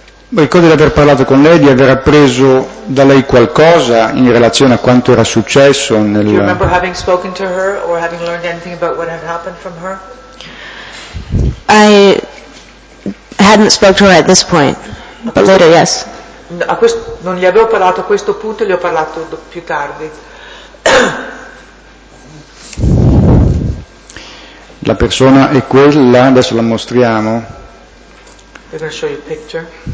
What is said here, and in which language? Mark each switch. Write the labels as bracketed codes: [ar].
[it] Ricordi di aver parlato con lei, di aver appreso da lei qualcosa in relazione a quanto era successo nel... [en] Do you remember having spoken to her or having learned anything about what had happened from her? I hadn't spoken to her at this point, but later, yes. [it] Non gli avevo parlato a questo punto, gli ho parlato più tardi. La persona è quella, adesso la mostriamo. [en] We're going to show you a picture.